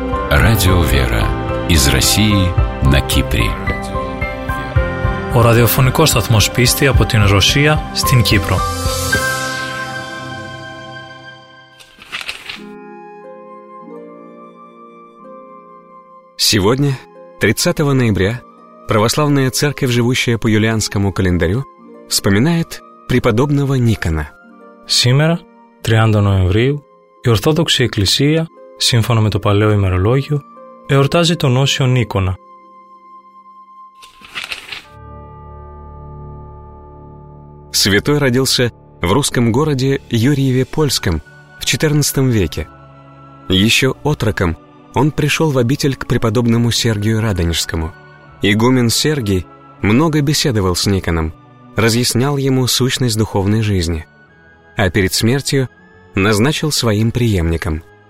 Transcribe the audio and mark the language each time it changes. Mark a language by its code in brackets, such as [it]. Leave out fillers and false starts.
[ru] Радио «Вера» из России на Кипре. [el] Ο ραδιοφωνικός σταθμός πίστη από την Ρωσία στην Κύπρο. [ru] Сегодня, 30 ноября, православная церковь, живущая по юлианскому календарю, вспоминает преподобного Никона. Сегодня, 30 ноября, [el] η Ορθόδοξη Εκκλησία, σύμφωνα με το παλαιό ημερολόγιο, εορτάζει τον Όσιο Νίκονα. [ru] Святой родился в русском городе Юрьеве-Польском в XIV веке. Еще отроком он пришел в обитель к преподобному Сергию Радонежскому. Игумен Сергий много беседовал с Никоном, разъяснял ему сущность духовной жизни, а перед смертью назначил своим преемником.